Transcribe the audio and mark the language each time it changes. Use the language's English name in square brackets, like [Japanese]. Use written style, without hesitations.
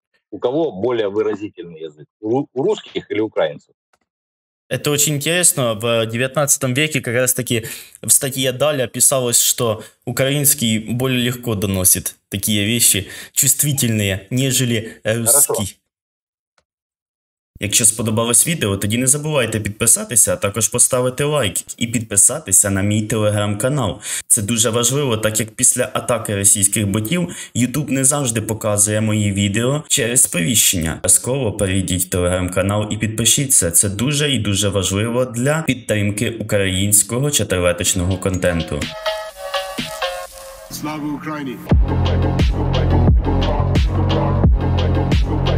[Russian] У кого более выразительный язык? У русских или украинцев? Это очень интересно. В 19 веке как раз-таки в статье Даля писалось, что украинский более легко доносит такие вещи, чувствительные, нежели русский. Хорошо. [Ukrainian] Якщо сподобалось відео, тоді не забувайте підписатися, а також поставити лайк і підписатися на мій телеграм-канал. Це дуже важливо, так як після атаки російських ботів YouTube не завжди показує мої відео через сповіщення. Обов'язково перейдіть в телеграм-канал і підпишіться. Це дуже і дуже важливо для підтримки українського чотириватичного контенту. Слава Україні! [English] Thank you.